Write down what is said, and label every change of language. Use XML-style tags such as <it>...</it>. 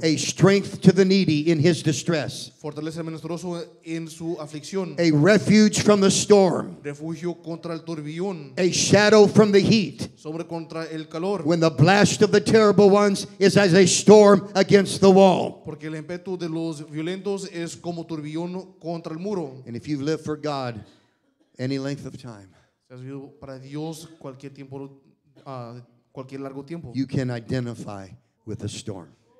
<en>a strength to the needy in his distress,</en> <es>fortaleza al menesteroso en su aflicción,</es> <en>a refuge from the storm,</en> <es>refugio contra el turbión,</es> <en>a shadow from the heat,</en> <es>sombra contra el calor,</es> <en>when the blast of the terrible ones is as a storm against the wall.</en> <es>Porque el ímpetu de los violentos es como turbión contra el muro.</es> <en>And if you've lived for God any length of time, you can identify with the storm.</en>